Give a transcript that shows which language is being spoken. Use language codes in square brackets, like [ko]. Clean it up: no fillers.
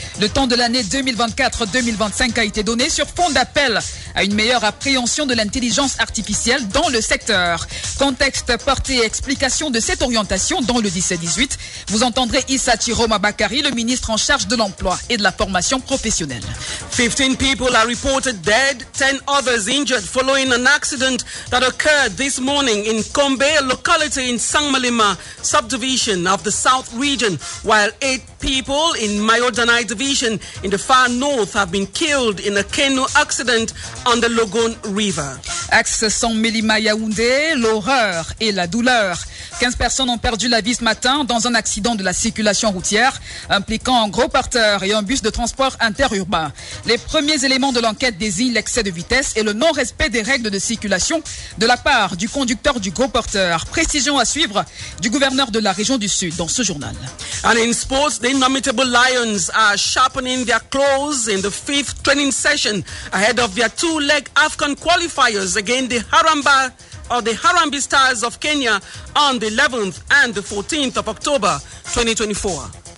[fr] Le temps de l'année 2024-2025 a été donné sur fond d'appel à une meilleure appréhension de l'intelligence artificielle dans le secteur. Contexte, portée et explication de cette orientation dans le 17-18. Vous entendrez Issa Chiroma Bakari, le ministre en charge de l'emploi et de la formation professionnelle. [en] 15 people are reported dead, 10 others injured following an accident that occurred this morning in Kombe, a locality in Sangmalima subdivision of the South Region, while 8 people in Mayodanai Division in the far north have been killed in a canoe accident on the Logone River. [fr] Axe Sangmalima Yaoundé, l'horreur et la douleur. 15 personnes ont perdu la vie ce matin dans un accident de la circulation routière impliquant un gros porteur et un bus de transport interurbain. Les premiers éléments de l'enquête désignent l'excès de vitesse et le non-respect des règles de circulation de la part du conducteur du gros porteur. Précision à suivre du gouverneur de la région du Sud dans ce journal. [en] And in sports, the indomitable Lions are sharpening their claws in the fifth training session ahead of their two-leg AFCON qualifiers against the Harambee Stars of Kenya on the 11th and the 14th of October 2024.